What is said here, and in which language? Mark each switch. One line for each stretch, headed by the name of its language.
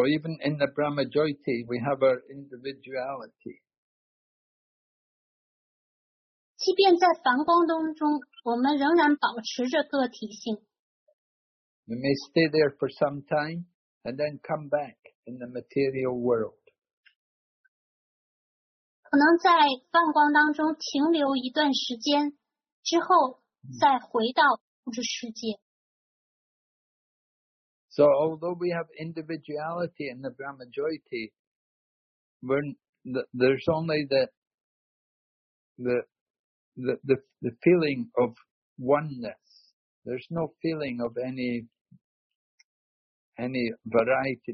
English: even in the Brahmajyoti, we have our individuality.
Chinese: 即便在梵光当中，我们仍然保持着个体性。
English: You may stay there for some time and then come back in the material world.
Chinese: 可能在梵光当中停留一段时间，之后再回到物质世界。
English: So although we have individuality in the Brahmajyoti, there's only the feeling of oneness. There's no feeling of any variety.